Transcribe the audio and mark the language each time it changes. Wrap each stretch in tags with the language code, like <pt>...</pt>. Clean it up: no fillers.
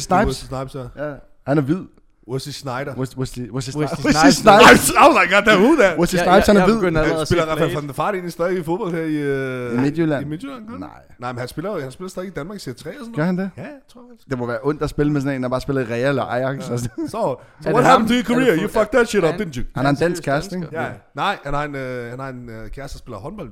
<da>Snipes. Han er hvid. Wesley Snyder. Wesley Snyder. Oh my god, der er hun der. Wesley Snipes, han er hvid. Han spiller Rafael van der Vaart ind i stadig i fodbold her i Midtjylland. I Midtjylland, kan Nej, men han spiller stadig i Danmark i Serie 3 og sådan noget. Gør han det? Ja, tror jeg. Det må være ondt at spille med sådan en, der bare spiller Real eller Ajax. Ja.</da> <en>So what happened to your career? You fucked that shit up, didn't you?</en> <da>Han har en dansk kæreste, ikke? Nej, han har en kæreste, der spiller håndbold.</da>